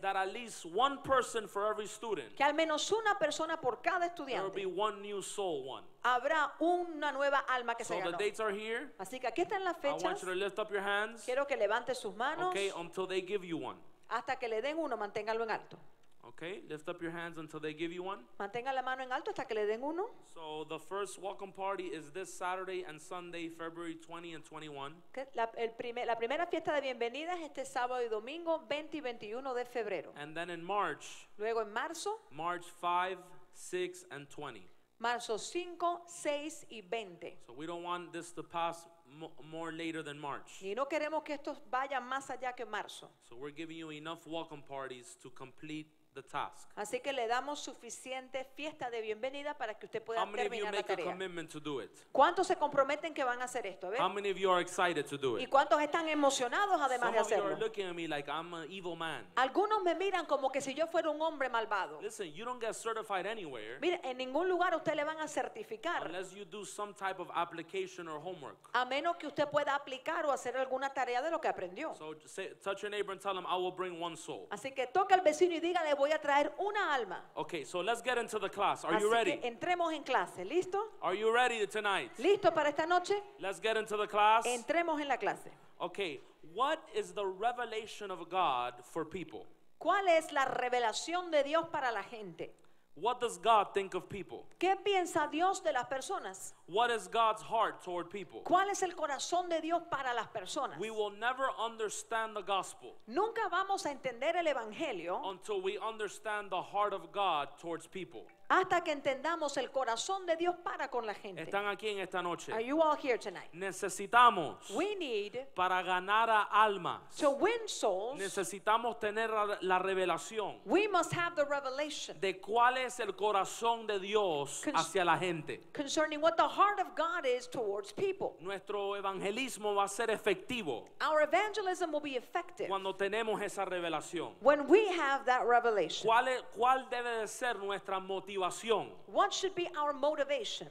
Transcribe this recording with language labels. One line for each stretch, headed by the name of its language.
English: That at least one person for every student.
Spanish: Que al menos una persona por cada estudiante.
English: There will be one new soul one.
Spanish: Habrá una nueva alma que
English: so
Spanish: se ganó.
English: The dates are here.
Spanish: Así que aquí están las fechas.
English: I want you to lift up your hands.
Spanish: Quiero que levante sus manos.
English: Okay, until they give you one.
Spanish: Hasta que le den uno, manténgalo en alto.
English: Okay, lift up your hands until they give you one.
Spanish: Mantenga la mano en alto hasta que le den uno.
English: So the first welcome party is this Saturday and Sunday, February 20 and 21.
Spanish: La primera fiesta de bienvenida es este sábado y domingo, 20 y 21 de febrero.
English: And then in March.
Spanish: Luego en marzo.
English: March 5, 6 and 20.
Spanish: Marzo 5, 6 y 20.
English: So we don't want this to pass more later than March.
Spanish: Y no queremos que esto vaya más allá que marzo.
English: So we're giving you enough welcome parties to complete the task.
Spanish: Así que le damos suficiente fiesta de bienvenida para que usted pueda terminar la tarea.
English: How many of you make a commitment to do it?
Spanish: ¿Cuántos se comprometen que van a hacer esto?
English: How many of you are excited to do it?
Spanish: ¿Y cuántos están emocionados además
English: Some
Spanish: de hacerlo?
English: Some of you are looking at me like I'm an evil man.
Spanish: Algunos me miran como que si yo fuera un hombre malvado.
English: Listen, you don't get certified anywhere.
Spanish: Mire, en ningún lugar usted le van a certificar.
English: Unless you do some type of application or homework.
Spanish: A menos que usted pueda aplicar o hacer alguna tarea de lo que aprendió.
English: So touch your neighbor and tell him I will bring one soul.
Spanish: Así que toca al vecino y dígale voy a traer una alma.
English: Okay, so let's get into the class. Are
Spanish: Así
English: you ready?
Spanish: Que entremos en clase. ¿Listo?
English: Are you ready tonight?
Spanish: ¿Listo para esta noche?
English: Let's get into the class.
Spanish: Entremos en la clase.
English: Okay, what is the revelation of God for people?
Spanish: ¿Cuál es la revelación de Dios para la gente?
English: What does God think of people?
Spanish: ¿Qué piensa Dios de las personas?
English: What is God's heart toward people?
Spanish: ¿Cuál es el corazón de Dios para las personas?
English: We will never understand the gospel.
Spanish: Nunca vamos a entender el evangelio.
English: Until we understand the heart of God towards people.
Spanish: Hasta que entendamos el corazón de Dios para con la gente. Están aquí en esta noche.
English: Are you all here tonight?
Spanish: Necesitamos.
English: We need.
Spanish: Para ganar a almas.
English: To win souls.
Spanish: Necesitamos tener la revelación.
English: We must have the revelation.
Spanish: De cuál es el corazón de Dios hacia la gente.
English: Concerning what the heart of God is towards people.
Spanish: Nuestro evangelismo va a ser efectivo.
English: Our evangelism will be effective.
Spanish: Cuando tenemos esa revelación.
English: When we have that revelation.
Spanish: ¿Cuál debe de ser nuestra motivación?
English: What should be our motivation